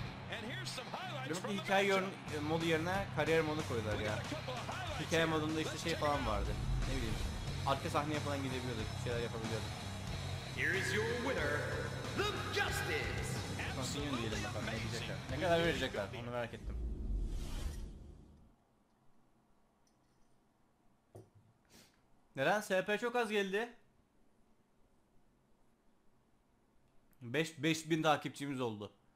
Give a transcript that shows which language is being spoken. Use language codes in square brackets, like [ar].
[tr] Benim bir hikaye modu yerine kariyer modu koydular ya. Hikaye modunda işte şey falan vardı. Ne bileyim. Arka sahneye falan gidebiliyorduk. Bir şeyler yapabiliyorduk. [en] Here is your winner, The Justice. [tr] Continue diyelim bakalım. Ne diyecekler? Ne kadar verecekler? Onu merak ettim. Neden? SP çok az geldi. 5000 takipçimiz oldu.